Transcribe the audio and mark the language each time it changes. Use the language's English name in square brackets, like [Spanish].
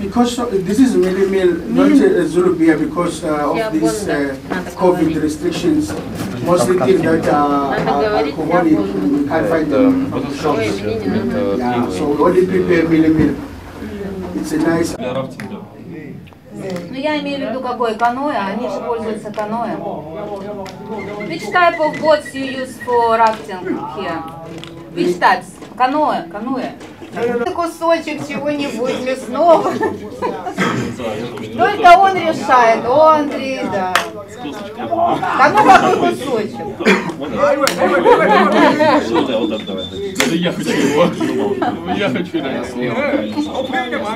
[English] Because this is Milia, not Zulu beer, because of these COVID restrictions. Mostly things that are alcoholic, we can't find them from the shops. So we only prepare Milia meal. It's a nice. [Russian] Ну я имею в виду какое каноэ, они же пользуются каноэ. [English] Which type of boats you use for rafting here? Which types? Каноэ, каноэ. [Russian] Кусочек чего-нибудь мясного. Только он решает, он да. Да ну какой кусочек. Что ты вот так давай? Да я хочу его. Я хочу его.